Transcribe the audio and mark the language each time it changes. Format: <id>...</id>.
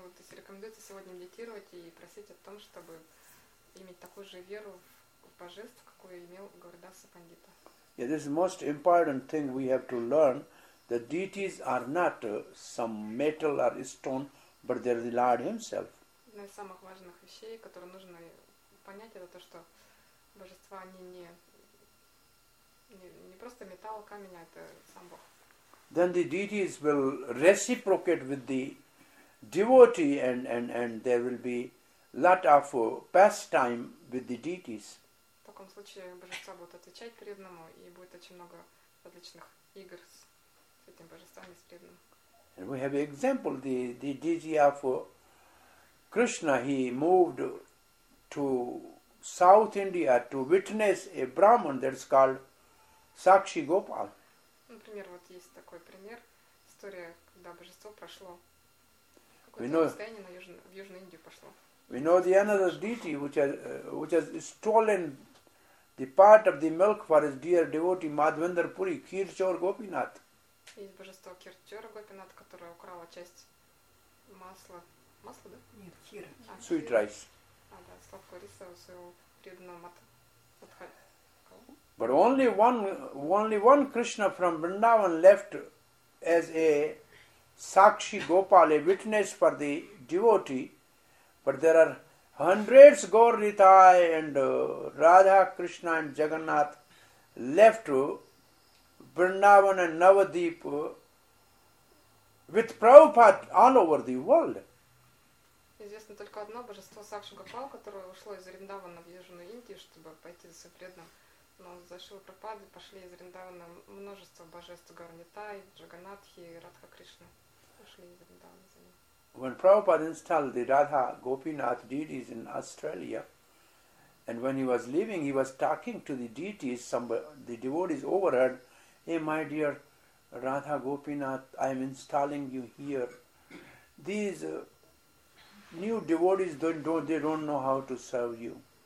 <ru>Рекомендуется сегодня медитировать и просить о том, чтобы иметь такую же веру в божеств, какую имел Гаурадаса Пандита.</ru> <en>Yeah, this is the most important thing we have to learn. The deities are not some metal or stone, but they are the Lord Himself.</en> <ru>Одна из самых важных вещей, которые нужно понять, это то, что божества, они не просто металл, камень, а это сам Бог.</ru> <en>Then the deities will reciprocate with the devotee and there will be lot of pastime with the deities.</en> <ru>В таком случае божества будут отвечать преданному и будет очень много различных игр с этим божеством и с преданным.</ru> <en>And we have an example, the deity of Krishna, he moved to South India to witness a Brahman that is called Sakshi Gopal.</en> <ru>Например, вот есть такой пример, история, когда божество прошло какое-то расстояние в Южную Индию пошло.</ru> <en>We know the another deity which has stolen the part of the milk for his dear devotee Madhvendra Puri, Kirchor Gopinath.</en> <ru>Есть божество Кирчора Гопинат, которое украло часть масло. Масло, да? Нет, кхир.</ru> <en>Sweet rice.</en> <ru>А, да, сладкого риса у своего преданного мата.</ru> <en>But only one Krishna from Vrindavan left as a Sakshi Gopal, a witness for the devotee. But there are hundreds of Gaur Nithai and Radha, Krishna and Jagannath left Vrindavan and Navadvip with Prabhupada all over the world.</en> <ru>Известно только одно божество Сакши Гопал, которое ушло из Вриндавана в Южную Индию, чтобы пойти за преданным. Но за Шрила Прабхупады пошли из Вриндавана множество божеств Гаур Нитай, Джаганатхи и Радха Кришна. Ушли из Вриндавана за ним.</ru> <en>When Prabhupada installed the Radha Gopinath deities in Australia, and when he was leaving, he was talking to the deities, the devotees overheard, "Hey, my dear Radha Gopinath, I am installing you here. These new devotees, they don't know how to serve you.</en>